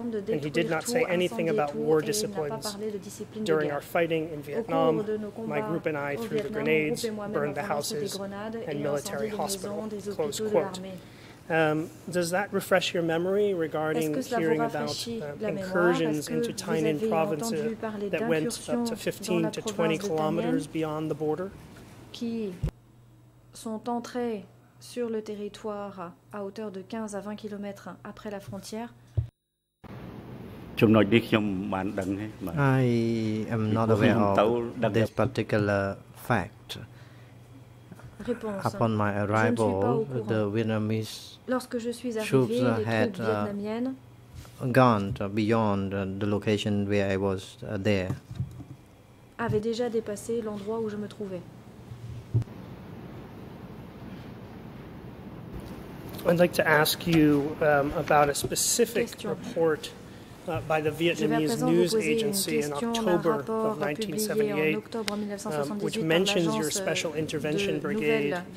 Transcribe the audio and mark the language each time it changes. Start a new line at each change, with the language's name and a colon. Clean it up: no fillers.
English: And he did not say anything about war disciplines. During our fighting in Vietnam, my group and I threw the grenades, burned the houses and military hospital, close quote. Does that refresh your memory regarding hearing about incursions into Tai Ninh province that went up to 15 to 20 kilometers beyond the border?
French: Qui sont entrés sur le territoire à hauteur de 15 à 20 kilomètres après la frontière?
English: I am not aware of this particular fact. Upon my arrival, the Vietnamese troops had gone beyond the location where I was there.
French: Avaient déjà dépassé l'endroit où je me trouvais.
English: I'd like to ask you about a specific report by the Vietnamese news agency in October of 1978, which mentions your special intervention brigade